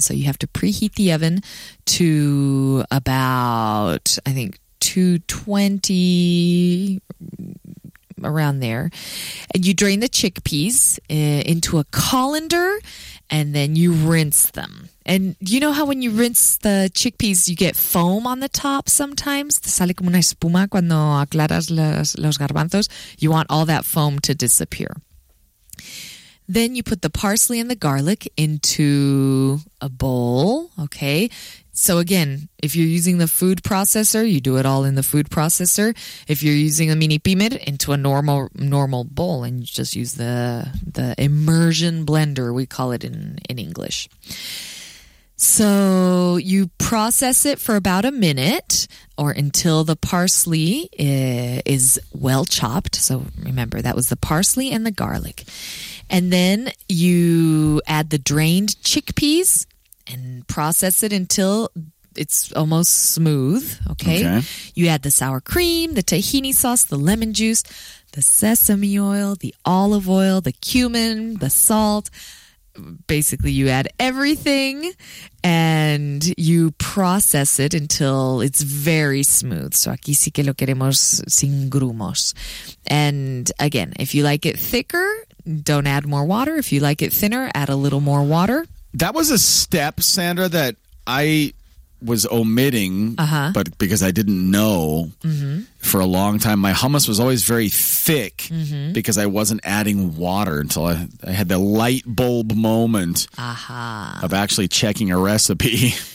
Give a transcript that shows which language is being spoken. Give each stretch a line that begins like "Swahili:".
English: So you have to preheat the oven to about, I think, 220, around there. And you drain the chickpeas into a colander and then you rinse them. And you know how when you rinse the chickpeas, you get foam on the top sometimes?
Spanish: Sale como una espuma cuando aclaras los garbanzos.
English: You want all that foam to disappear. Then you put the parsley and the garlic into a bowl, okay? So again, if you're using the food processor, you do it all in the food processor. If you're using a mini pimer, into a normal bowl, and you just use the immersion blender, we call it in English. So you process it for about a minute or until the parsley is well chopped. So remember, that was the parsley and the garlic. And then you add the drained chickpeas and process it until it's almost smooth, okay? You add the sour cream, the tahini sauce, the lemon juice, the sesame oil, the olive oil, the cumin, the salt. Basically, you add everything and you process it until it's very smooth.
Spanish: So aquí sí que lo queremos sin grumos.
English: And again, if you like it thicker, don't add more water. If you like it thinner, add a little more water. That was a step, Sandra, that I was omitting, but because I didn't know for a long time. My hummus was always very thick because I wasn't adding water until I had the light bulb moment of actually checking a recipe.